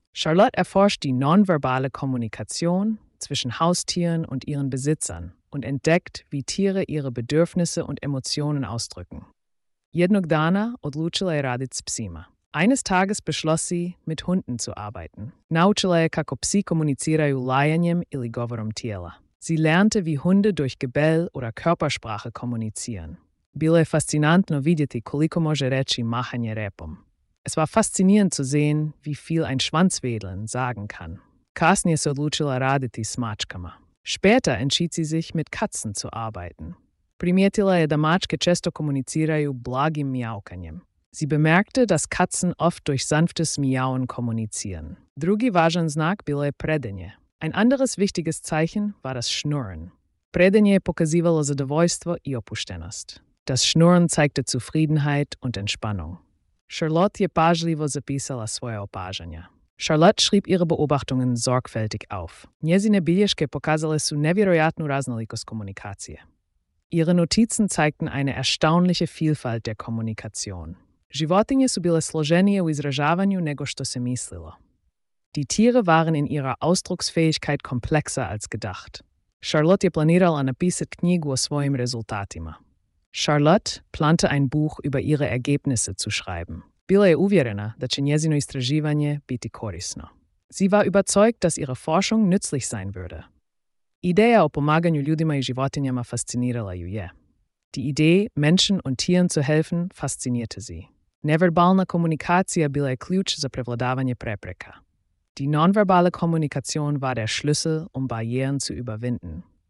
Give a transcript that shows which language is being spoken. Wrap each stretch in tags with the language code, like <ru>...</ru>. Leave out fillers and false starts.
<de>Charlotte erforscht die nonverbale Kommunikation zwischen Haustieren und ihren Besitzern und entdeckt, wie Tiere ihre Bedürfnisse und Emotionen ausdrücken.</de> <hr>Jednog dana odlučila je raditi s psima.</hr> <de>Eines Tages beschloss sie, mit Hunden zu arbeiten.</de> <hr>Naučila je kako psi komuniciraju lajanjem ili govorom tijela.</hr> <de>Sie lernte, wie Hunde durch Gebell oder Körpersprache kommunizieren.</de> <hr>Bilo je fascinantno vidjeti koliko može reći mahanje repom.</hr> <de>Es war faszinierend zu sehen, wie viel ein Schwanzwedeln sagen kann.</de> <hr>Kasnije se odlučila raditi s mačkama.</hr> <de>Später entschied sie sich, mit Katzen zu arbeiten.</de> <hr>Primijetila je da mačke često komuniciraju blagim mjaukanjem.</hr> <de>Sie bemerkte, dass Katzen oft durch sanftes Miauen kommunizieren.</de> <hr>Drugi važan znak bilo je predenje.</hr> <de>Ein anderes wichtiges Zeichen war das Schnurren.</de> <hr>Predenje pokazivalo zadovoljstvo i opuštenost.</hr> <de>Das Schnurren zeigte Zufriedenheit und Entspannung.</de> <hr>Charlotte je pažljivo zapisala svoje opažanja.</hr> <de>Charlotte schrieb ihre Beobachtungen sorgfältig auf.</de> <hr>Njezine bilješke pokazale su nevjerojatnu raznolikost komunikacije.</hr> <de>Ihre Notizen zeigten eine erstaunliche Vielfalt der Kommunikation.</de> <hr>Životinje su bile složenije u izražavanju nego što se mislilo.</hr> <de>Die Tiere waren in ihrer Ausdrucksfähigkeit komplexer als gedacht.</de> <hr>Charlotte je planirala napisati knjigu o svojim rezultatima.</hr> <de>Charlotte plante ein Buch über ihre Ergebnisse zu schreiben.</de> <hr>Bila je uvjerena da će njezino istraživanje biti korisno.</hr> <de>Sie war überzeugt, dass ihre Forschung nützlich sein würde.</de> <hr>Ideja o pomaganju ljudima i životinjama fascinirala ju je.</hr> <de>Die Idee, Menschen und Tieren zu helfen, faszinierte sie.</de> <hr>Neverbalna komunikacija bila je ključ za prevladavanje prepreka.</hr> <de>Die nonverbale Kommunikation war der Schlüssel, um Barrieren zu überwinden.</de>